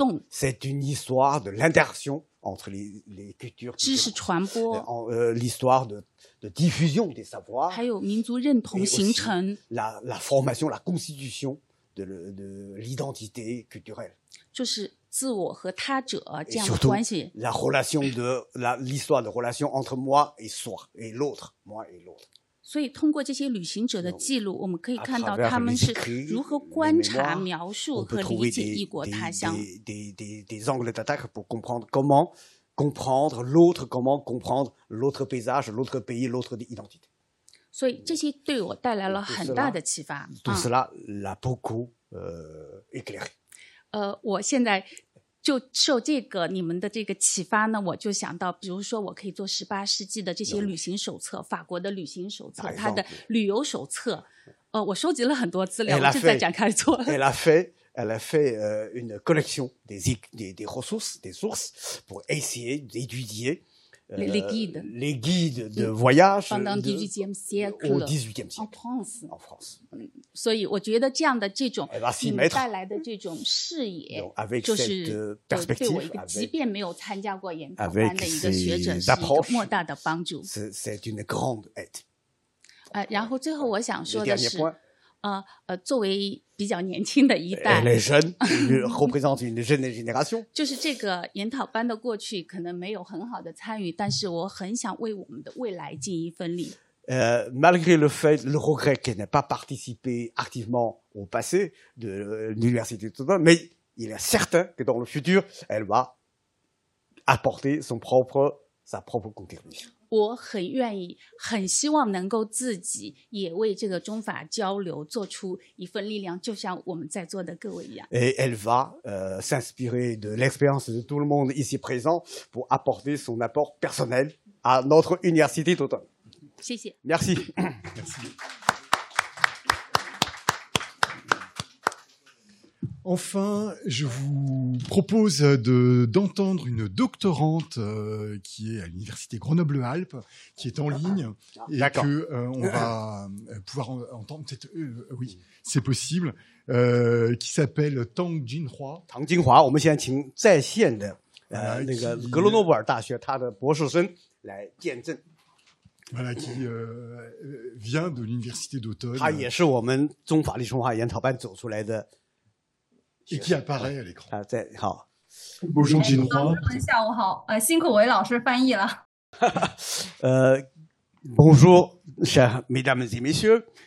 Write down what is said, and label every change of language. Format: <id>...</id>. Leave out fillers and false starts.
<fr>C'est une histoire de l'interaction entre les cultures, l'histoire de diffusion des savoirs, et aussi la formation, la constitution de l'identité culturelle.</fr> <zh>就是自我和他者这样的关系。</zh> <fr>La relation de l'histoire de relation entre moi et soi et l'autre, moi et l'autre.</fr> <zh>所以通过这些旅行者的记录，我们可以看到他们是如何观察、描述和理解异国他乡。</zh> <fr>Des angles d'attaque pour comprendre comment comprendre l'autre, comment comprendre l'autre paysage, l'autre pays, l'autre identité.</fr> <zh>所以这些对我带来了很大的启发。</zh> <fr>Tout cela l'a beaucoup éclairé.</fr> <zh>我现在就受这个你们的这个启发呢，我就想到比如说我可以做18世纪的这些旅行手册，法国的旅行手册，它的旅游手册，我收集了很多资料，就在展开做了。</zh> <fr>Elle a fait une collection des ressources, des sources pour essayer d'étudier les guides de voyage pendant le 18e siècle, au 18e siècle. En France.</fr> <zh>所以我觉得这样的这种带来的这种视野</zh> <fr>avec</fr> <zh>就是</zh> <fr>cette perspective,</fr> <zh>对我一个即便没有参加过研讨班的一个学者是一个莫大的帮助。</zh> <fr>C'est une grande aide.</fr> <zh>然后最后我想说的是作为比较年轻的一代</zh> <fr>Elle est jeune, représente une jeune génération.</fr> <zh>就是这个研讨班的过去可能没有很好的参与，但是我很想为我们的未来尽一份力。</zh> <fr>Malgré le fait, le regret qu'elle n'ait pas participé activement au passé de l'université de Toulon, mais il est certain que dans le futur, elle va apporter sa propre contribution.</fr> <zh>我很愿意，很希望能够自己也为这个中法交流做出一份力量，就像我们在座的各位一样。</zh> <fr>Et elle va s'inspirer de l'expérience de tout le monde ici présent pour apporter son apport personnel à notre université d'automne.</fr> <zh>谢谢。</zh> <fr>Merci. Merci. Enfin, je vous propose d'entendre une doctorante qui est à l'Université Grenoble-Alpes, qui est en ligne, et d'accord. Qu'on va pouvoir entendre, peut-être, oui, c'est possible, qui s'appelle Tang Jinhua.</fr> <zh>Tang Jinhua, 我们现在请在线的那个格罗诺布尔大学他的博士生来见证。</zh> <fr>Voilà, qui vient de l'Université d'Automne.</fr> <zh>他也是我们中法历史文化研讨班走出来的。</zh> <fr>Et qui apparaît à l'écran. Ah, c'est... Oh. Bonjour, Jean Jinhua. Bonjour, Jean-Louis. Bonjour, chers mesdames et messieurs.</fr>